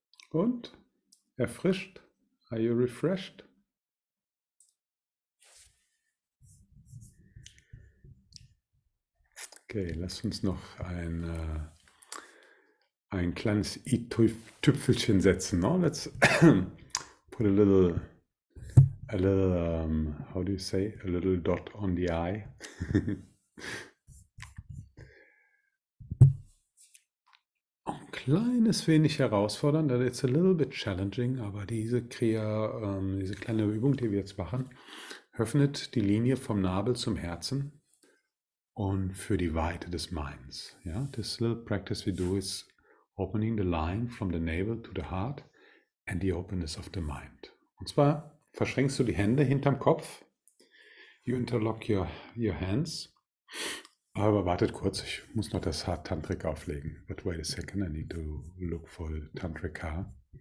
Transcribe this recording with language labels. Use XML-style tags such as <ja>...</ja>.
<de>Und? Erfrischt?</de> <en>Are you refreshed?</en> <de>Okay, lass uns noch ein kleines i-Tüpfelchen setzen.</de> <en>No? Let's put a little a little, how do you say, a little dot on the eye.</en> <de>Ein kleines wenig herausfordernd,</de> <en>that it's a little bit challenging,</en> <de>aber diese Kriya, diese kleine Übung, die wir jetzt machen, öffnet die Linie vom Nabel zum Herzen und für die Weite des Minds. Yeah?</de> <en>This little practice we do is opening the line from the navel to the heart and the openness of the mind.</en> <de>Und zwar verschränkst du die Hände hinterm Kopf.</de> <en>You interlock your hands.</en> <de>Aber wartet kurz, ich muss noch das Haar Tantrik auflegen.</de> <en>But wait a second, I need to look for the Tantrik Haar.</en>